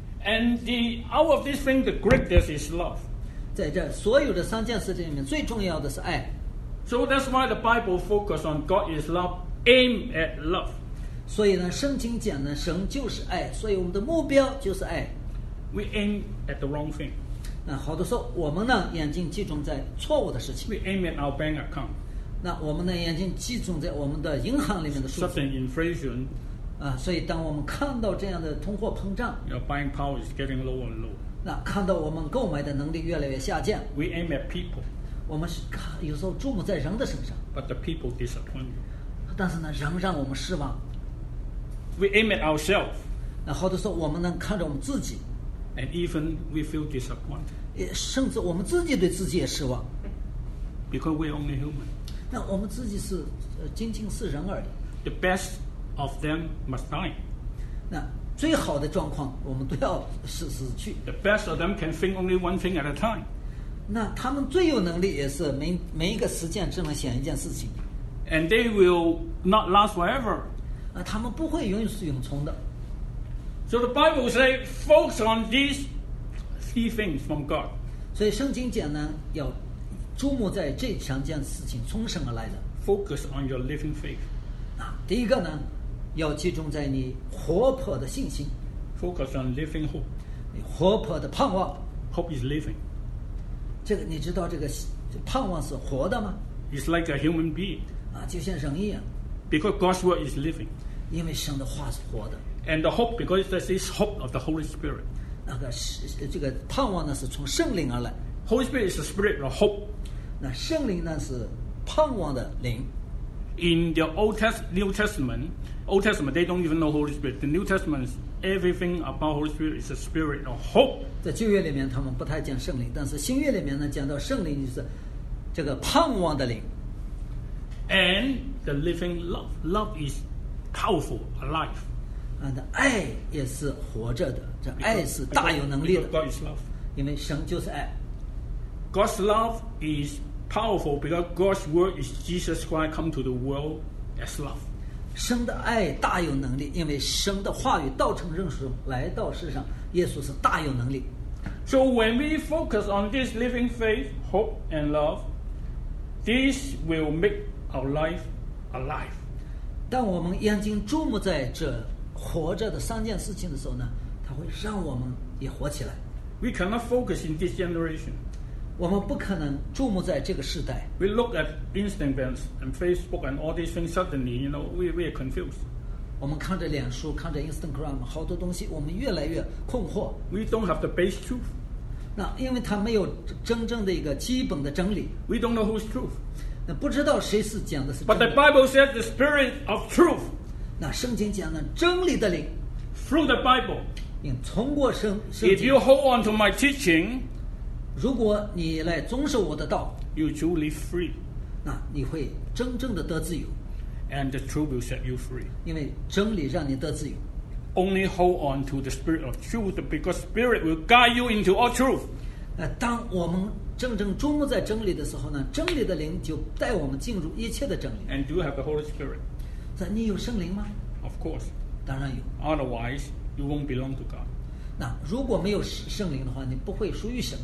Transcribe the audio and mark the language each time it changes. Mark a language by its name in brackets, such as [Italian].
[English] And the out of these things, the greatest is love. [Chinese] 在这所有的三件事情里面，最重要的是爱。 [English] So that's why the Bible focuses on God is love, aim at love. [Chinese] 所以呢，圣经讲呢，神就是爱，所以我们的目标就是爱。 [English] We aim at the wrong thing. [Chinese] 那好多时候，我们呢，眼睛集中在错误的事情。 [English] We aim at our bank account. [Chinese] 那我们呢，眼睛集中在我们的银行里面的数据。 [English] Sudden inflation. [Chinese] 所以当我们看到这样的通货膨胀。 [English] Your buying power is getting lower and lower. [Chinese] 那看到我们购买的能力越来越下降。 [English] We aim at people. [Chinese] 我们是有时候注目在人的身上， [English] but the people disappoint you. [Chinese] 但是呢，仍让我们失望。 [English] We aim at ourselves. [Chinese] 那或者说我们能看着我们自己。 [English] And even we feel disappointed. [Chinese] 甚至我们自己对自己也失望。 [English] Because we're only human. [Chinese] 那我们自己是仅仅是人而已。 [English] The best of them must die. [Chinese] 那最好的状况我们都要死去。 [English] The best of them can think only one thing at a time. [Chinese] 那他们最有能力也是 每一个时间只能想一件事情。 [English] And they will not last forever. [Chinese] 他们不会永世永存的。 [English] So the Bible says, focus on these three things from God. [Chinese] 所以圣经讲呢，要注目在这三件事情从什么来的。 [English] Focus on your living faith. [Chinese] 第一个呢，要集中在你活泼的信心。 [English] Focus on living hope. [Chinese] 你活泼的盼望。 [English] Hope is living. [Chinese] 这个你知道这个盼望是活的吗？ [English] It's like a human being. [Chinese] 就像人一样。 [English] Because God's word is living. [Chinese] 因为神的话是活的。 [English] And the hope, because there's this hope of the Holy Spirit. [Chinese] 那个这个盼望呢，是从圣灵而来。 [English] Holy Spirit is the spirit of hope. [Chinese] 那圣灵呢，是盼望的灵。 [English] In the Old Testament, they don't even know Holy Spirit. The New Testament, everything about Holy Spirit is the spirit of hope. [Chinese] 在旧约里面，他们不太讲圣灵，但是新约里面呢，讲到圣灵就是这个盼望的灵。 [English] And the living love. Love is powerful, alive. [Chinese] 爱也是活着的，这爱是大有能力的。 [English] because God is love. [Chinese] 因为神就是爱。 [English] God's love is powerful because God's word is Jesus Christ come to the world as love. [Chinese] 神的爱大有能力，因为神的话语道成肉身来到世上，耶稣是大有能力。 [English] So when we focus on this living faith, hope and love, this will make our life alive. [Chinese] 当我们眼睛注目在这活着的三件事情的时候呢，它会让我们也活起来。 [English] We cannot focus in this generation. [Chinese] 我们不可能注目在这个时代。 [English] We look at Instagram and Facebook and all these things suddenly, you know, we are confused. [Chinese] 我们看着脸书，看着 Instagram, 好多东西，我们越来越困惑。 [English] We don't have the base truth. [Chinese] 那因为它没有真正的一个基本的真理。 [English] We don't know who's truth. [Chinese] 那不知道谁是讲的是真理。 [English] But the Bible says the spirit of truth. [Chinese] 那圣经讲的真理的灵 [English] through the Bible [Chinese] 通过圣 [English] 经 if you hold on to my teaching [Chinese] 如果你来遵守我的道 [English] you truly free [Chinese] 那你会真正的得自由 [English] and the truth will set you free [Chinese] 因为真理让你得自由 [English] only hold on to the spirit of truth because spirit will guide you into all truth [Chinese] 那当我们真正注目在真理的时候呢真理的灵就带我们进入一切的真理 [English] and do you have the Holy Spirit [Chinese] 你有圣灵吗 [English] ？Of course， [Chinese] 当然有。 [English] Otherwise, you won't belong to God. [Chinese] 那如果没有圣灵的话，你不会属于神。